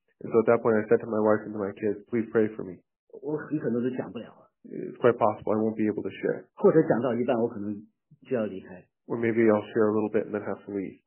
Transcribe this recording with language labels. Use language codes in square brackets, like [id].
[en] And so at that point, I said to my wife and to my kids, please pray for me. [zh] 我很可能都讲不了了。 [en] It's quite possible I won't be able to share. [zh] 或者讲到一半我可能就要离开。 [en] Or maybe I'll share a little bit and then have to leave.